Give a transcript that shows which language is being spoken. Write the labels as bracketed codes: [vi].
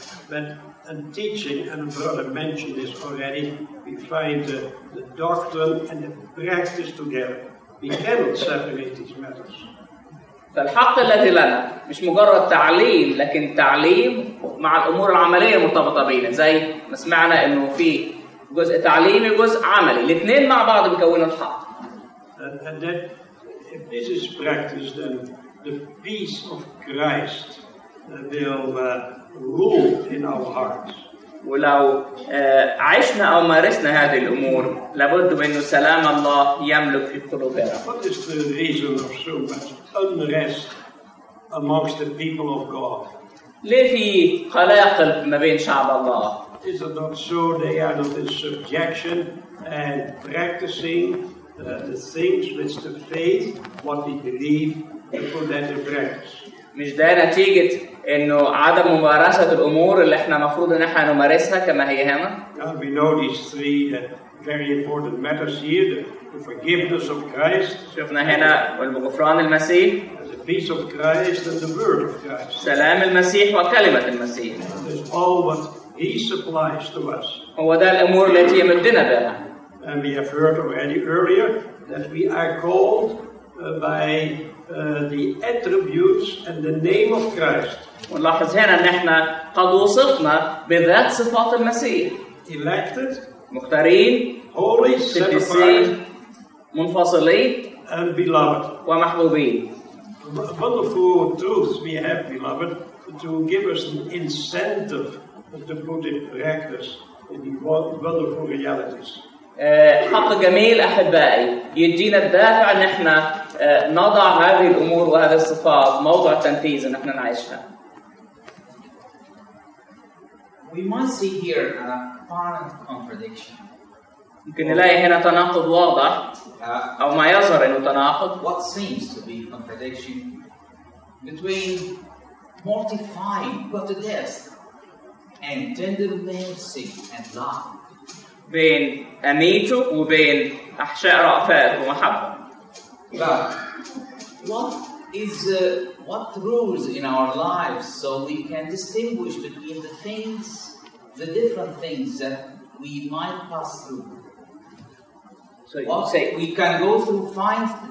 [en] But in teaching, and Brother mentioned this already, we find the doctrine and the practice together. We cannot separate these matters. [ar] فالحق الذي لنا مش مجرد تعليم لكن تعليم مع الأمور العملية مرتبطة بينا زي ما سمعنا إنه في جزء تعليمي وجزء عملي الاثنين مع بعض بيكونوا الحق. [en] And that if this is practiced, then the peace of Christ will rule in our hearts. [ar] ولو عشنا أو مارسنا هذه الأمور لابد من سلام الله يملك في قلوبنا. [en] What is the reason of so much unrest amongst the people of God? [ar] ليه في قلاقل ما بين شعب الله؟ [en] Is it not so they are not in subjection and practicing the things which the faith, what we believe, and put that in practice? [ar] مش ده نتيجة إنه عدم ممارسة الأمور اللي إحنا مفروض إن إحنا نمارسها كما هي هنا؟ [en] Now we know these three very important matters here: the forgiveness of Christ. [ar] شفنا هنا والغفران المسيح. [en] Peace of Christ and the Word of Christ. [ar] سلام المسيح وكلمة المسيح. [en] It's all what He supplies to us. [ar] هو ده الأمور التي يمدنا بها. [en] And we have heard already earlier that we are called by the attributes and the name of Christ. [ar] ونلاحظ هنا إن إحنا قد وصفنا بذات صفات المسيح. [en] Elected. [ar] مختارين. [en] Holy. [ar] قدسين. منفصلين. [en] And beloved. [ar] ومحبوبين. [en] A wonderful truth we have, beloved, to give us an incentive to put in practice in these wonderful realities. [ar] حق جميل أحبائي يدينا الدافع أن احنا نضع هذه الأمور وهذه الصفات موضع تنفيذ أن احنا نعيشها. [en] We must see here an apparent contradiction. [ar] يمكن نلاقي هنا تناقض واضح أو ما يظهر أنه تناقض. [en] What seems to be contradiction between mortifying God to death and tender mercy and love? [ar] بين أميته وبين أحشاء رأفاته ومحبه. [en] But what is what rules in our lives so we can distinguish between the things, the different things that we might pass through? So you well, say we can go through fine.